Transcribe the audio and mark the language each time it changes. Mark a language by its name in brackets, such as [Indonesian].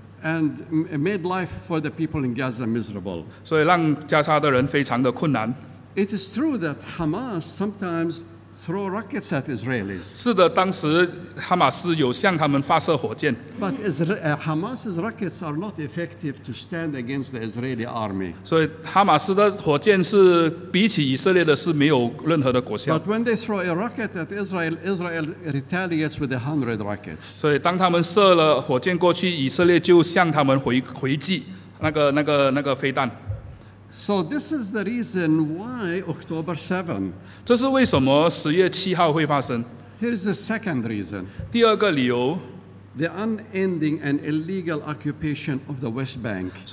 [English] and made life for the people in Gaza miserable. [Chinese] 所以让加沙的人非常的困难. [English] It is true that Hamas sometimes throw rockets at Israelis. [Chinese] 是的，当时哈马斯有向他们发射火箭. [English] But Hamas's rockets are not effective to stand against the Israeli army. [Chinese] 所以哈马斯的火箭是比起以色列的是没有任何的果效. [English] But when they throw a rocket at Israel, Israel retaliates with 100 rockets. [Chinese] 所以当他们射了火箭过去，以色列就向他们回击那个飞弹. [English] So this is the reason why October 7. [Chinese] 这是为什么10月7号会发生? [English] Here is the second reason. [Chinese] 第二个理由, [English] the unending and illegal occupation of the West Bank.